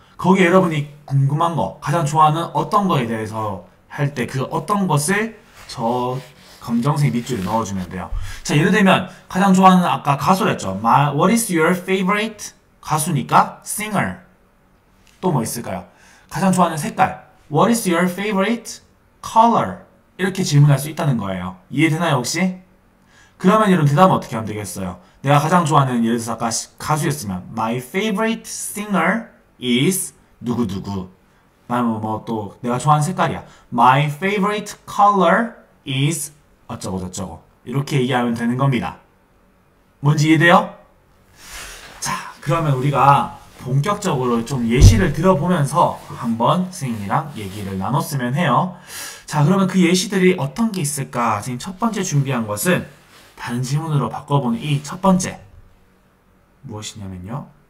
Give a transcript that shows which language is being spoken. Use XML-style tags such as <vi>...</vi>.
<ko>거기에 여러분이 궁금한 거, 가장 좋아하는 어떤 거에 대해서 할때그 어떤 것을 저 검정색 밑줄에 넣어주면 돼요. 자, 예를 들면 가장 좋아하는 아까 가수랬죠?</ko> <en>What is your favorite?</en> <ko>가수니까 singer. 또뭐 있을까요? 가장 좋아하는 색깔.</ko> <en>What is your favorite color?</en> <ko>이렇게 질문할 수 있다는 거예요. 이해되나요, 혹시? 그러면 여러분 대답은 어떻게 하면 되겠어요? 내가 가장 좋아하는 예를 들어서 아까 가수였으면</ko> <en>My favorite singer is</en> <ko>누구누구. 나는 뭐또 내가 좋아하는 색깔이야.</ko> <en>My favorite color is</en> <ko>어쩌고저쩌고. 이렇게 얘기하면 되는 겁니다. 뭔지 이해돼요? 자, 그러면 우리가 본격적으로 좀 예시를 들어보면서 한번 선생님이랑 얘기를 나눴으면 해요. 자, 그러면 그 예시들이 어떤 게 있을까? 선생님 첫 번째 준비한 것은 다른 질문으로 바꿔보는 이첫 번째. 무엇이냐면요.</ko>